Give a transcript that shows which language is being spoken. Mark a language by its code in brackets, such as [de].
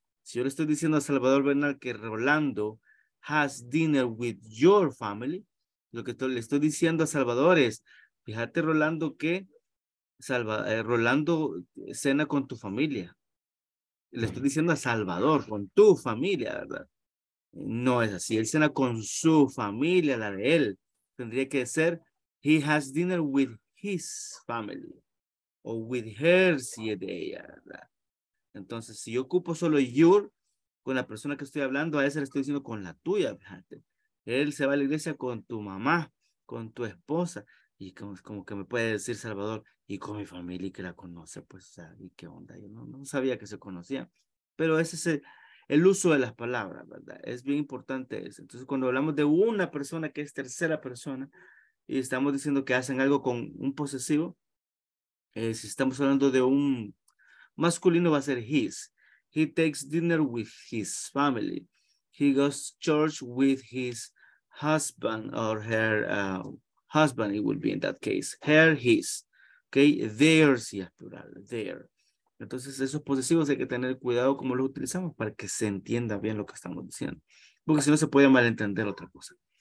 [es] Si yo le estoy diciendo a Salvador Bernal que Rolando [en] has dinner with your family, [es] lo que le estoy diciendo a Salvador es, fíjate, Rolando, que Rolando cena con tu familia. Le estoy diciendo a Salvador, con tu familia, ¿verdad? No es así. Él cena con su familia, la de él. Tendría que ser, [en] he has dinner with his family. [es] O [en] with her, [es] si es de ella, ¿verdad? Entonces, si yo ocupo solo your, con la persona que estoy hablando, a esa le estoy diciendo con la tuya, fíjate. Él se va a la iglesia con tu mamá, con tu esposa. Y como que me puede decir Salvador, y con mi familia y que la conoce, pues, ¿y qué onda? Yo no sabía que se conocía. Pero ese es el uso de las palabras, ¿verdad? Es bien importante eso. Entonces, cuando hablamos de una persona que es tercera persona y estamos diciendo que hacen algo con un posesivo, si estamos hablando de un masculino, va a ser his. [en] He takes dinner with his family. He goes to church with his husband or her husband, it will be in that case. Her, his. Okay, there, [es] si es plural, [en] there. [es] Entonces, esos posesivos hay que tener cuidado cómo los utilizamos para que se entienda bien lo que estamos diciendo. Porque si no, se puede malentender otra cosa.